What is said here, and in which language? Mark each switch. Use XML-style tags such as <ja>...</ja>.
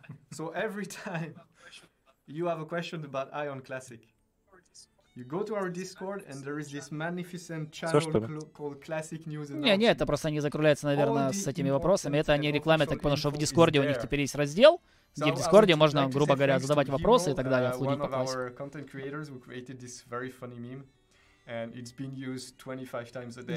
<en>So every time you have a question about Ion Classic, you go to our Discord and there is this magnificent channel called Classic News.</en> <ru>Не, не, это просто они закругляются, наверное, с этими вопросами. Это они рекламят, так потому что в Дискорде у них теперь есть раздел, где в Дискорде можно, грубо говоря, задавать вопросы и так далее, судить по классу.</ru> <en>One of our content creators who created this very funny meme and it's been used 25 times a day.</en>